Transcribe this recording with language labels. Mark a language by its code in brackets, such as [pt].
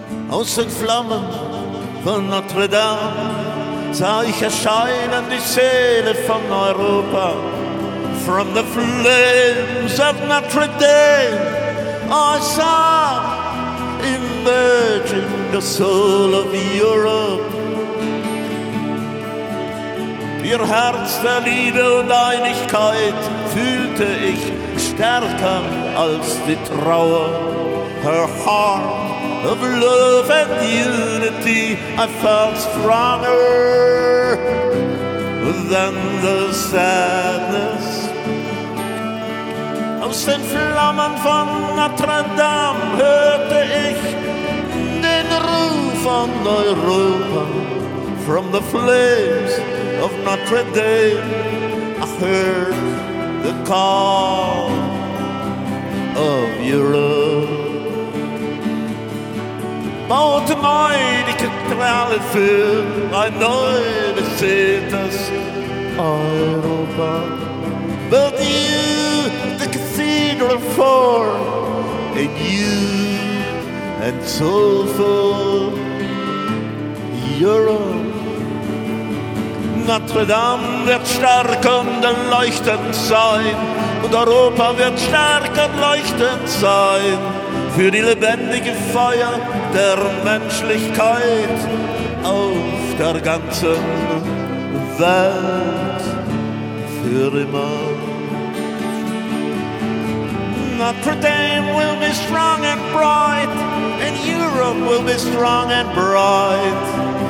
[de] aus den Flammen von Notre Dame sah ich erscheinen die Seele von Europa. [en] From the flames of Notre Dame I saw emerging the soul of Europe. [de] Ihr Herz der Liebe und Einigkeit fühlte ich stärker als die Trauer. [en] Her heart of love and unity I felt stronger than the sadness. [de] Aus den Flammen von Notre Dame hörte ich den Ruf von Europa. [en] From the flames of Notre Dame I heard the call of Europe. [de] Baute meine Kathedrale für ein neues Seetes Europa. [en] Build you the cathedral for a new and soulful Europe. [de] Notre Dame wird stark und leuchtend sein, und Europa wird stark und leuchtend sein. Für die lebendige Feier der Menschlichkeit auf der ganzen Welt für immer. [en] Notre Dame will be strong and bright, and Europe will be strong and bright.